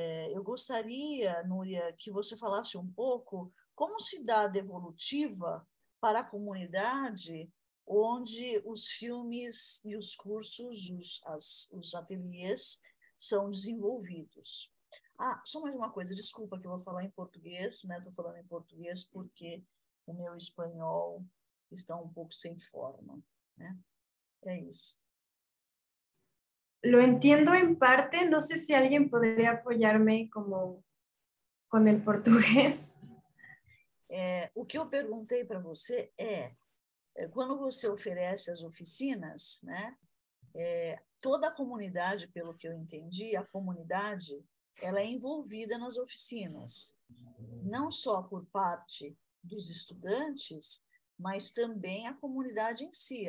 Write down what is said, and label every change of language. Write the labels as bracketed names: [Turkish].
[Portuguese] Eu gostaria, Núria, que você falasse um pouco como se dá a devolutiva para a comunidade onde os filmes e os cursos, os ateliês, são desenvolvidos? Ah, só mais uma coisa, desculpa que eu vou falar em português, né? Estou falando em português porque o meu espanhol está um pouco sem forma, né? É isso. [Spanish] Lo entiendo en parte, no sé si alguien podría apoyarme como con el portugués. [Portuguese] O que eu perguntei para você quando você oferece as oficinas, né, toda a comunidade, pelo que eu entendi, a comunidade, ela é envolvida nas oficinas, não só por parte dos estudantes, mas também a comunidade em si.